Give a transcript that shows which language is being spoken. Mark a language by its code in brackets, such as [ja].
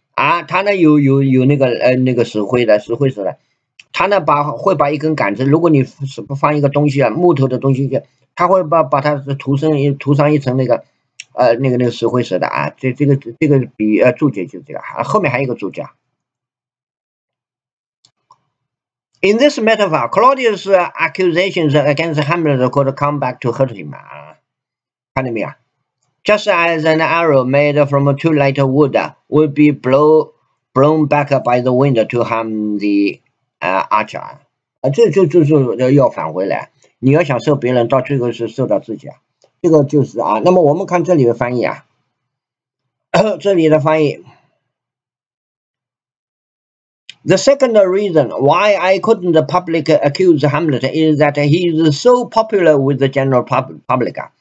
[zh] 啊，他那有那个那个石灰的，石灰石的，他那会把一根杆子，如果你是不放一个东西啊，木头的东西就，他会把它涂上一层那个那个石灰石的啊，这个比注解就这个，啊，后面还有一个注解。 [en] In this metaphor, Claudius' accusations against Hamlet could come back to hurt him. [zh] 看到没有？ [en] Just as an arrow made from a too light wood would be blown back by the wind to harm the archer， [zh] 这就是要返回来。你要想受别人，到最后是受到自己啊。这个就是啊。那么我们看这里的翻译 [en] 啊，这里的翻译：The second reason why I couldn't publicly accuse Hamlet is that he is so popular with the general public.